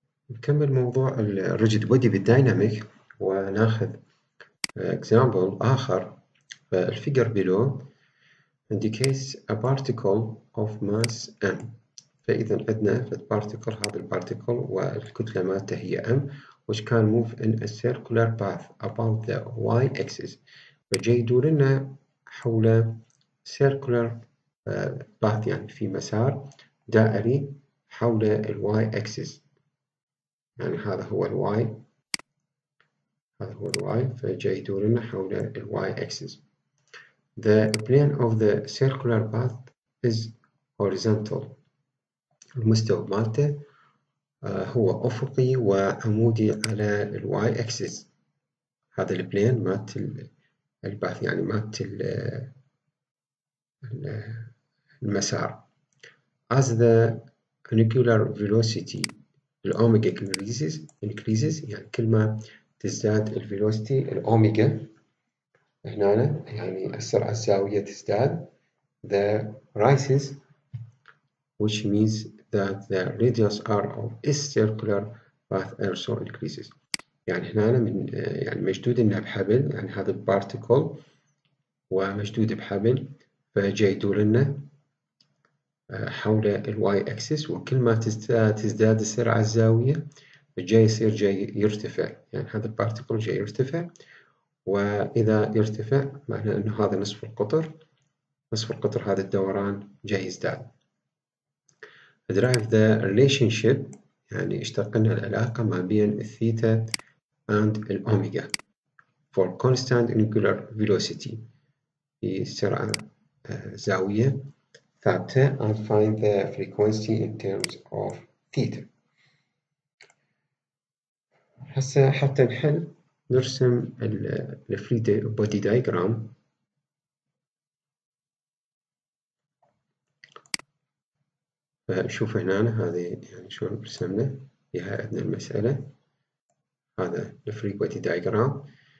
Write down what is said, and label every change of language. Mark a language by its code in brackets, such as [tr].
[ar] نكمل موضوع الريجيد بودي بالدايناميك وناخذ اكزامبل اخر. [en] الفيجر below indicates a particle of mass m. [ar] فاذا عندنا البارتيكل، هذا البارتيكل والكتله مالته هي [en] m، which can move in a circular path about the y axis. [ar] فجاي يدور لنا حول circular path، يعني في مسار دائري حول ال y axis، يعني هذا هو ال y، هذا هو ال y، فجاي يدور لنا حول ال y axis. [en] The plane of the circular path is horizontal. [ar] المستوى مالته هو أفقي وعمودي على ال y axis. هذا ال plane مالت البث، يعني مالت المسار. [en] As the angular velocity الأوميجا increases، يعني كل ما تزداد ال velocity الأوميجا هنا، [ar] يعني السرعة الزاوية تزداد، [en] the rises which means that the radius r of is circular path also increases. [ar] يعني هنا من يعني مشدود انها بحبل، يعني هذا بارتيكل ومشدود بحبل، فجاي يدور لنا حول ال y axis، وكل ما تزداد السرعة الزاوية جاي يصير جاي يرتفع، يعني هذا بارتيكل جاي يرتفع. وإذا ارتفع معناه أنه هذا نصف القطر، نصف القطر هذا الدوران جاي يزداد. [en] Derive the relationship، [ar] يعني اشتقنا العلاقة ما بين الثيتا [en] and الأوميجا for constant angular velocity، [ar] في سرعة زاوية ثابتة، [en] and find the frequency in terms of theta. [ar] هسه حتى نحل نرسم الـ free body diagram. فنشوف هنا هذه، يعني شو رسمنا بها عندنا المسألة، هذا الـ free body diagram.